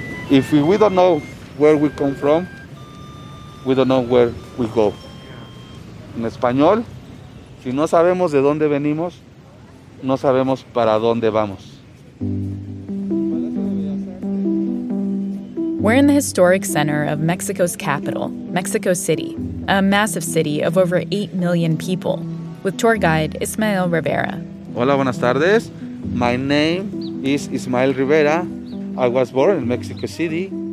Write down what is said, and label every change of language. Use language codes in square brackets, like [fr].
[en] If we don't know where we come from, we don't know where we go. [es] En español, si no sabemos de dónde venimos, no sabemos para dónde vamos. [en] We're in the historic center of Mexico's capital, Mexico City, a massive city of over 8 million people, with tour guide Ismael Rivera. [es] Hola, buenas tardes. [en] My name is Ismael Rivera. I was born in Mexico City.